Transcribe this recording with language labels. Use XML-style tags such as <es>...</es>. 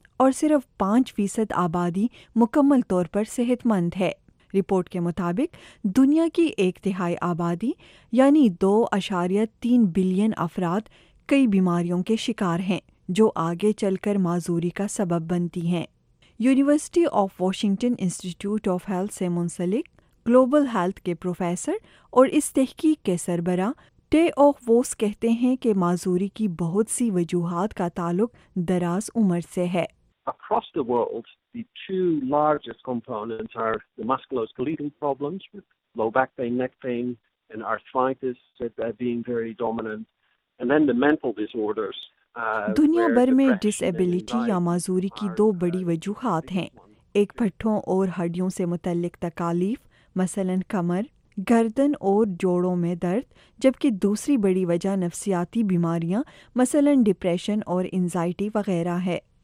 <ur>اور صرف 5% آبادی مکمل طور پر صحت مند ہے۔ رپورٹ کے مطابق دنیا کی ایک تہائی آبادی یعنی 2.3 بلین افراد کئی بیماریوں کے شکار ہیں جو آگے چل کر معذوری کا سبب بنتی ہیں۔ University of Washington institute of health سے منسلک گلوبل ہیلتھ کے پروفیسر اور اس تحقیق کے سربراہ ٹے اوک ووس کہتے ہیں کہ معذوری کی بہت سی وجوہات کا تعلق دراز عمر سے ہے۔</ur> <en>Across the world, the two largest components are the musculoskeletal problems with low back pain, neck pain, and arthritis being very dominant, and then the mental disorders.</en> <ur>دنیا بھر میں ڈس ایبلٹی یا معذوری کی دو بڑی وجوہات ہیں، ایک پٹھوں اور ہڈیوں سے متعلق تکالیف مثلاً کمر، گردن اور جوڑوں میں درد، جبکہ دوسری بڑی وجہ نفسیاتی بیماریاں مثلاً ڈپریشن اور انزائٹی وغیرہ ہے۔</ur>